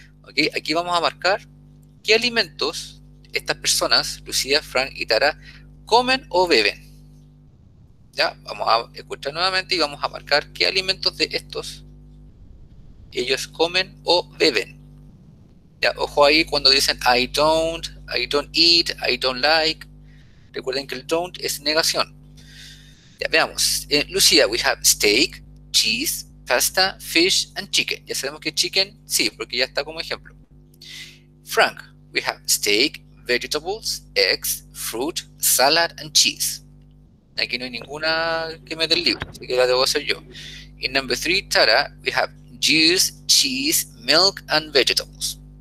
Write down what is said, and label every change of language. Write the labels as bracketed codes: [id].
[es] Okay, aquí vamos a marcar qué alimentos estas personas, Lucía, Frank y Tara, comen o beben. Ya, vamos a escuchar nuevamente y vamos a marcar qué alimentos de estos ellos comen o beben. Ya, ojo ahí cuando dicen [en] I don't eat, I don't like. [es] Recuerden que el don't es negación. Ya, veamos. [en] Lucía, we have steak, cheese, pasta, fish and chicken. [es] Ya sabemos que chicken, sí, porque ya está como ejemplo. [en] Frank, we have steak, vegetables, eggs, fruit, salad, and cheese. [es] Aquí no hay ninguna que me dé el libro, así que la debo hacer yo. [en] In number 3, Tara, we have juice, cheese, milk, and vegetables.